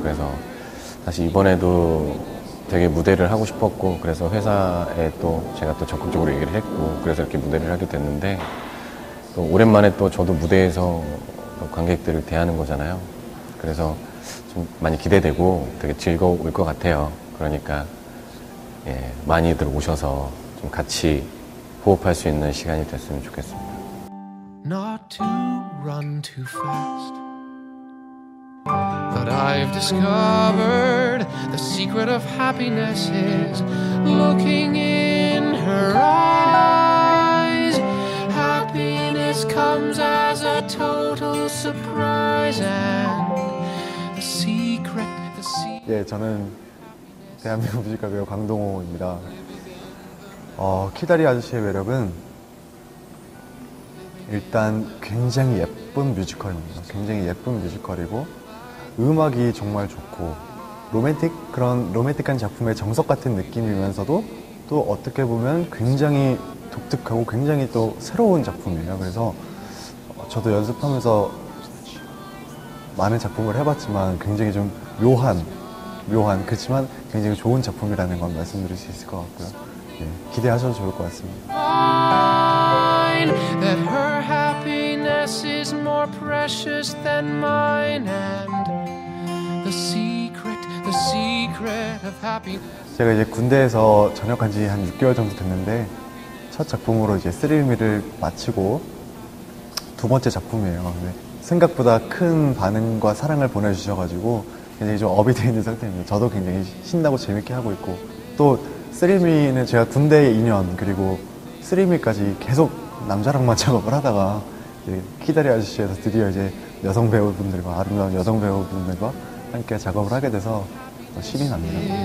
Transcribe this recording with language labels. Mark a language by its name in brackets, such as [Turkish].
[Korean] 그래서 사실 이번에도 되게 무대를 하고 싶었고 그래서 회사에 또 제가 또 적극적으로 얘기를 했고 그래서 이렇게 무대를 하게 됐는데 또 오랜만에 또 저도 무대에서 관객들을 대하는 거잖아요. 그래서 좀 많이 기대되고 되게 즐거울 것 같아요. 그러니까 예, 많이들 오셔서 좀 같이 호흡할 수 있는 시간이 됐으면 좋겠습니다. [English] Not to run too fast. But I've discovered the secret of happiness is looking in her eyes. Happiness comes as a total surprise and the secret, the secret. [Korean] 네, 저는 대한민국 뮤지컬 배우 강동호입니다. 키다리 아저씨의 매력은 일단 굉장히 예쁜 뮤지컬입니다. 굉장히 예쁜 뮤지컬이고 음악이 정말 좋고 로맨틱한 작품의 정석 같은 느낌이면서도 또 어떻게 보면 굉장히 독특하고 굉장히 또 새로운 작품이에요. 그래서 저도 연습하면서 많은 작품을 해봤지만 굉장히 좀 묘한 그렇지만 굉장히 좋은 작품이라는 건 말씀드릴 수 있을 것 같고요. 네, 기대하셔도 좋을 것 같습니다. [English] That her happiness is more precious than mine and the secret of happiness. [Korean] 제가 이제 군대에서 전역한 지 한 6개월 정도 됐는데 첫 작품으로 이제 3MI를 마치고 두 번째 작품이에요. 근데 생각보다 큰 반응과 사랑을 보내주셔가지고 굉장히 좀 업이 되어 있는 상태입니다. 저도 굉장히 신나고 재밌게 하고 있고, 또 3MI는 제가 군대 2년, 그리고 3MI까지 계속 남자랑만 작업을 하다가 키다리 아저씨에서 드디어 이제 여성 배우분들과, 아름다운 여성 배우분들과 함께 작업을 하게 돼서 더 신이 납니다.